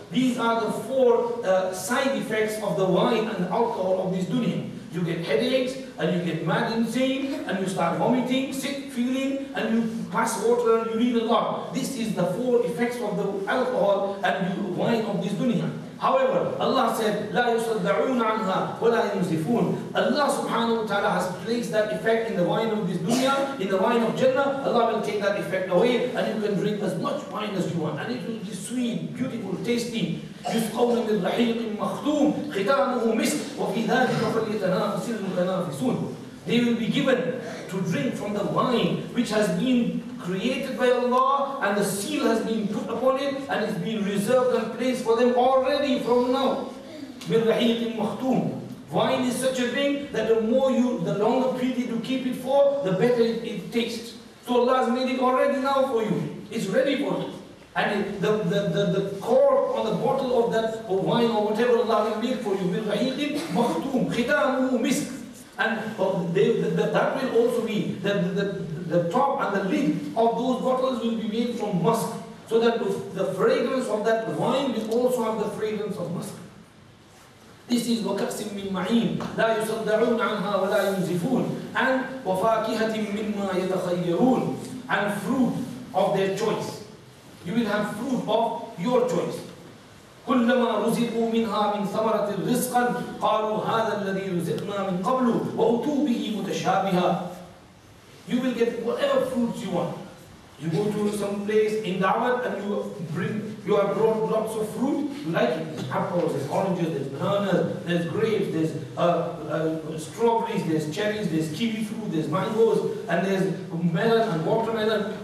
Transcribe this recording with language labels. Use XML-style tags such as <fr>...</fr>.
<en>These are the four side effects of the wine and alcohol of this dunya. You get headaches and you get mad insane and you start vomiting, sick feeling, and you pass water and urine a lot. This is the four effects of the alcohol and wine of this dunya. However, Allah said,</en> <ar>لَا يُصَدَّعُونَ عَنْهَا وَلَا يُنْزِفُونَ.</ar> <en>Allah subhanahu wa ta'ala has placed that effect in the wine of this dunya, in the wine of Jannah. Allah will take that effect away, and you can drink as much wine as you want. And it will be sweet, beautiful, tasty.</en> <ar>يُسْقَوْنَ مِنْ رَحِيقٍ مَخْتُومٍ خِتَامُهُ مِسْكٌ وَفِي ذَلِكَ فَلْيَتَنَافِسِ الْمُتَنَافِسُونَ.</ar> <en>They will be given to drink from the wine which has been created by Allah and the seal has been put upon it and it's been reserved and placed for them already from now. Mir rahiqin makhtum. Wine is such a thing that the longer period you keep it for, the better it tastes. So Allah has made it already now for you. It's ready for you. And the cork on the bottle of that wine or whatever Allah will make for you, mir rahiqin makhtum, khitamuhu misk. And that will also be the top and the lid of those bottles will be made from musk, so that the fragrance of that wine will also have the fragrance of musk.</en> <ar>This is وَكَأْسٍ مِّن مَعِينٍ لَا يُصَدَّعُونَ عَنْهَا وَلَا يُنْزِفُونَ and وَفَاكِهَةٍ مِّمَّا يَتَخَيَّرُونَ</ar> <en>and fruit of their choice. You will have fruit of your choice.</en> <ar>كلما رزقوا منها من ثمرة رزقا قالوا هذا الذي رزقنا من قبل وأتوا به متشابها.</ar> <en>You will get whatever fruits you want. You go to some place in Dawat and you are brought lots of fruit. You like it. There's apples, there's oranges, there's bananas, there's grapes, there's strawberries, there's cherries, there's kiwi fruit, there's mangoes, and there's melon and watermelon.</en>